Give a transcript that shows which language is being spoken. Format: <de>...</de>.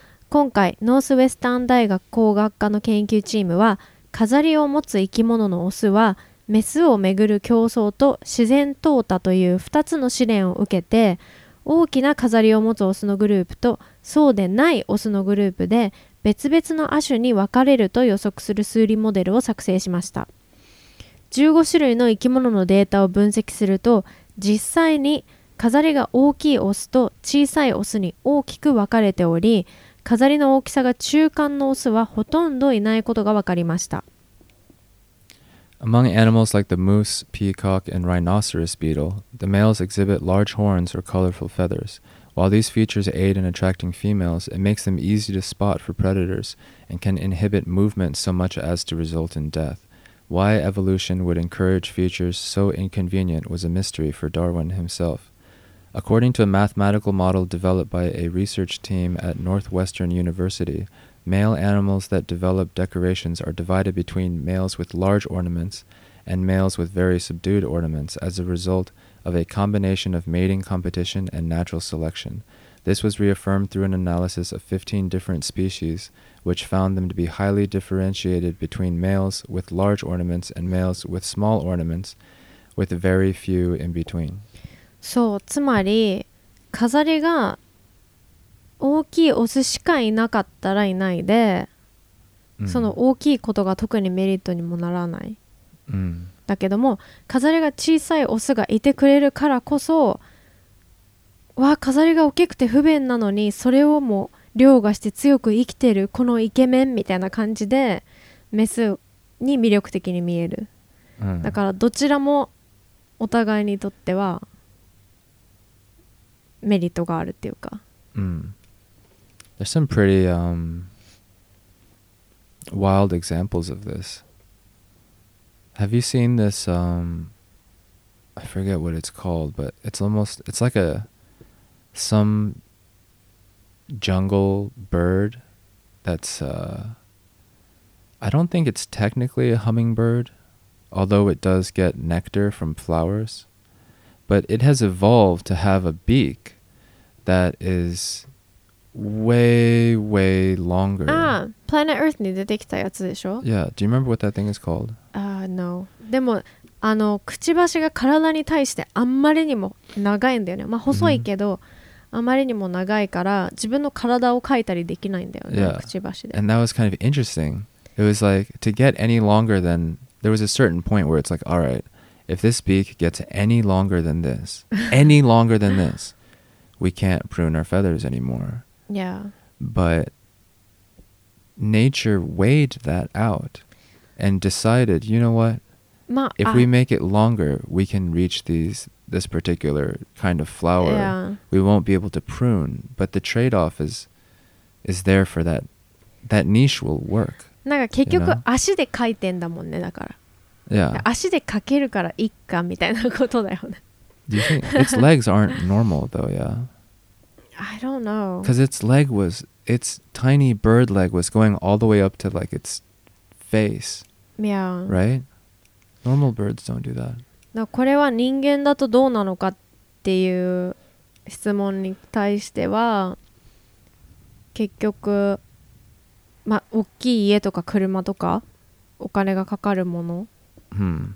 <ja>今回、ノースウェスタン大学工学科の研究チームは、飾りを持つ生き物のオスは、メスをめぐる競争と自然淘汰という2つの試練を受けて、大きな飾りを持つオスのグループとそうでないオスのグループで別々の亜種に分かれると予測する数理モデルを作成しました。 15種類の生き物のデータを分析すると、実際に飾りが大きいオスと小さいオスに大きく分かれており、飾りの大きさが中間のオスはほとんどいないことが分かりました。</ja> <en>Among animals like the moose, peacock, and rhinoceros beetle, the males exhibit large horns or colorful feathers. While these features aid in attracting females, it makes them easy to spot for predators and can inhibit movement so much as to result in death. Why evolution would encourage features so inconvenient was a mystery for Darwin himself. According to a mathematical model developed by a research team at Northwestern University, male animals that develop decorations are divided between males with large ornaments and males with very subdued ornaments as a result of a combination of mating competition and natural selection. This was reaffirmed through an analysis of 15 different species, which found them to be highly differentiated between males with large ornaments and males with small ornaments, with very few in between.</en> <ja>そう、つまり飾りが大きいオスしかいなかったらいないで、その大きいことが特にメリットにもならない。だけども飾りが小さいオスがいてくれるからこそ、わあ飾りが大きくて不便なのにそれをも凌駕して強く生きてるこのイケメンみたいな感じでメスに魅力的に見える、だからどちらもお互いにとってはメリットがあるっていうか、</ja> <en>There's some pretty wild examples of thisHave you seen this, I forget what it's called, but it's like a, some jungle bird that's, I don't think it's technically a hummingbird, although it does get nectar from flowers, but it has evolved to have a beak that is way, way longer.</en> <ja>Ah, Planet Earth に出てきたやつでしょ?</ja> <en>Yeah, do you remember what that thing is called? No.</en> <ja>でもあのくちばしが体に対してあんまりにも長いんだよね。まあ細いけど、あまりにも長いから自分の体を描いたりできないんだよね。</ja> <en>Yeah.</en> <ja>くちばしで。</ja> <en>And that was kind of interesting. It was like, to get any longer than, there was a certain point where it's like, all right, if this beak gets any longer than this, any longer than this, we can't prune our feathers anymore. Yeah. But nature weighed that out and decided, you know what? If we make it longer, we can reach this particular kind of flower. Yeah. We won't be able to prune. But the trade-off is there for that. That niche will work.</en> <ja>なんか結局足で描いてんだもんね、だから。</ja> <en>Yeah.</en> <ja>足で描けるからいっかみたいなことだよね。</ja> <en>Do you think its legs aren't normal though, yeah? I don't know. Because its leg was, its tiny bird leg was going all the way up to like its face. Yeah. Right? Normal birds don't do that.</en> <ja>だからこれは人間だとどうなのかっていう質問に対しては、結局、まあ、大きい家とか車とかお金がかかるもの、 hmm.</ja>